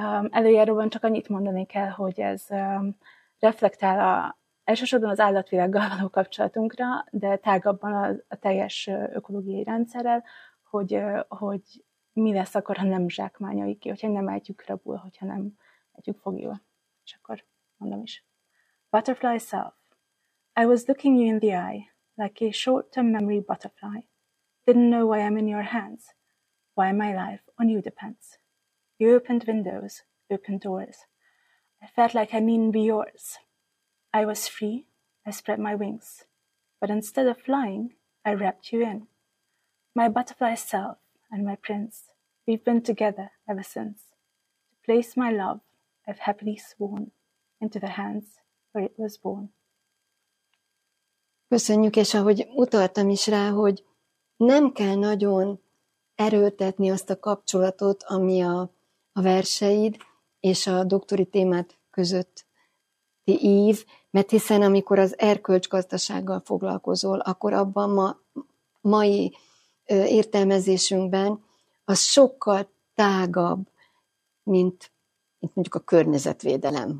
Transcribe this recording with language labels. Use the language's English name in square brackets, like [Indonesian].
[Hungarian] Előjáróban csak annyit mondani kell, hogy ez reflektál elsősorban az állatvilággal való kapcsolatunkra, de tágabban a teljes ökológiai rendszerrel, hogy mi lesz akkor, ha nem zsákmányoljuk ki, hogyha nem ejtjük rabul, hogyha nem ejtjük fogjul. És akkor mondom is. [English] Butterfly self. I was looking you in the eye, like a short-term memory butterfly. Didn't know why I'm in your hands. Why my life on you depends. You opened windows, opened doors. I felt like I needn't be yours. I was free, I spread my wings, but instead of flying, I wrapped you in. My butterfly self and my prince, we've been together ever since. To place my love, I've happily sworn into the hands where it was born. [Hungarian] Köszönjük, és ahogy utaltam is rá, hogy nem kell nagyon erőltetni azt a kapcsolatot, ami a verseid és a doktori témát közötti ív, mert hiszen amikor az erkölcsgazdasággal foglalkozol, akkor abban mai értelmezésünkben az sokkal tágabb, mint mondjuk a környezetvédelem.